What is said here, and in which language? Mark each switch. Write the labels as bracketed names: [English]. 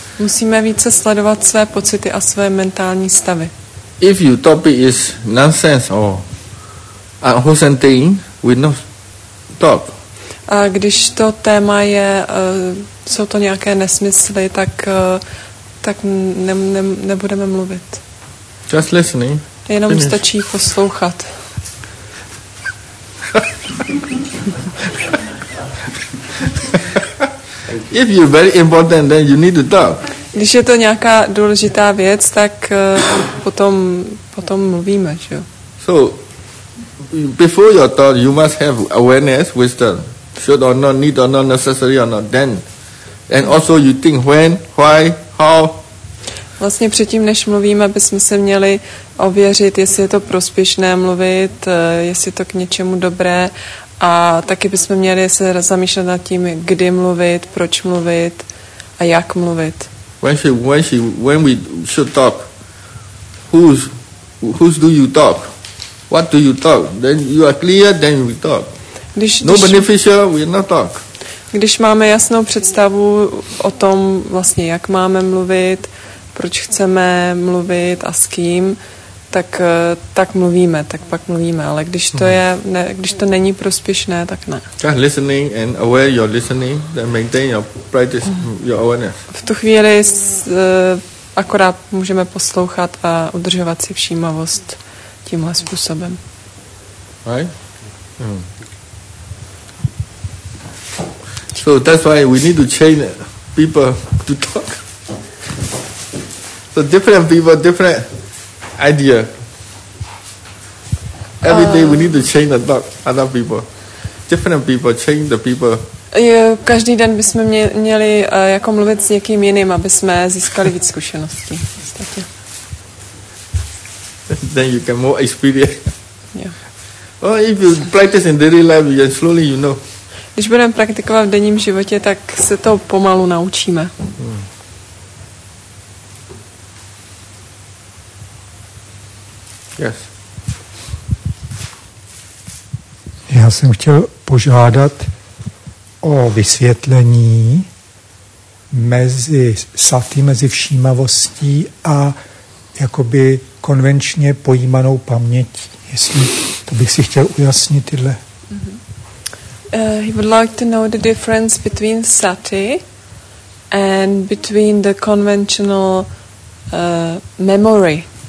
[Czech] Musíme více sledovat své pocity a své mentální stavy. [English] If your topic is nonsense or unwholesome thing, we know. Talk. [Czech] A když to téma je, jsou to nějaké nesmysly, tak nebudeme mluvit. [English] Just listening. [Czech] Jenom finish. Stačí poslouchat. [English] If you're very important, then you need to talk. [Czech] Když je to nějaká důležitá věc, tak potom mluvíme, že jo. [English] So before your thought, you must have awareness, wisdom. Should or not, need or not, necessary or not, then. And also you think when, why, how. [Czech] Vlastně předtím, než mluvíme, bychom se měli ověřit, jestli je to prospěšné mluvit, jestli je to k něčemu dobré. A taky bychom měli se zamýšlet nad tím, kdy mluvit, proč mluvit a jak mluvit. [English] When we should talk, whose do you talk? What do you talk? Then you are clear, then we talk. Beneficial, we not talk. [Czech] Když máme jasnou představu o tom, vlastně jak máme mluvit, proč chceme mluvit a s kým, tak mluvíme, tak pak mluvíme, ale když to je, ne, když to není prospěšné, tak ne. [English] Just listening and aware you're listening, then maintain your practice, your awareness. [Czech] V tu chvíli akorát můžeme poslouchat a udržovat si všímavost tímhle způsobem. [English] Right? Mm. So that's why we need to change people to talk. So different people, different idea. Every day we need to change the talk, other people. Different people, change the people. [Czech] Každý den bychom měli jako mluvit s někým jiným, aby jsme získali víc zkušeností. [English] Then you can more experience. Yeah. Well, if you practice in daily life, then slowly you know. [Czech] Když budeme praktikovat v denním životě, tak se to pomalu naučíme. [English] Yes. [Czech] Já jsem chtěl požádat o vysvětlení mezi sati, mezi všímavostí a jakoby konvenčně pojímanou pamětí. Jestli to bych si chtěl ujasnit tyhle. [English] He would like to know the difference between sati and between the conventional memory.